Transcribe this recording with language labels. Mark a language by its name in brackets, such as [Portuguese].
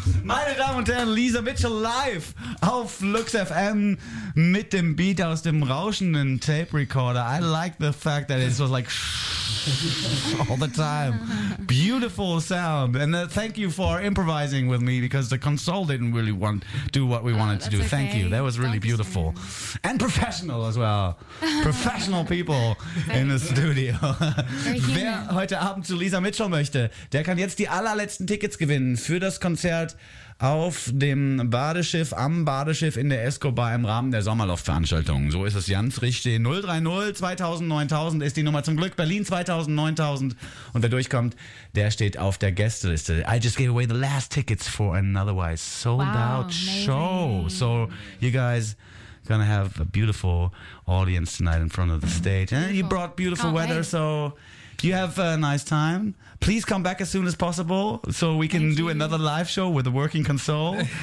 [German] Meine Damen und Herren, Lisa Mitchell live auf Lux FM mit dem Beat aus dem rauschenden Tape Recorder. [English] I like the fact that it was like all the time. Beautiful sound. And thank you for improvising with me because the console didn't really want to do what we wanted to do. Okay. Thank you. That was really beautiful. And professional as well. Professional people in the studio. [German] Wer heute Abend zu Lisa Mitchell möchte, der kann jetzt die allerletzten Tickets gewinnen für das Konzert auf dem Badeschiff, am Badeschiff in der Escobar im Rahmen der Sommerlaufveranstaltung. So ist es ganz richtig. 030 2000 9000 ist die Nummer zum Glück. Berlin 2000 9000. Und wer durchkommt, der steht auf der Gästeliste. [English] I just gave away the last tickets for an otherwise sold out show. So you guys gonna have a beautiful audience tonight in front of the stage. And you brought beautiful weather, so you have a nice time. Please come back as soon as possible so we can do another live show with the working console.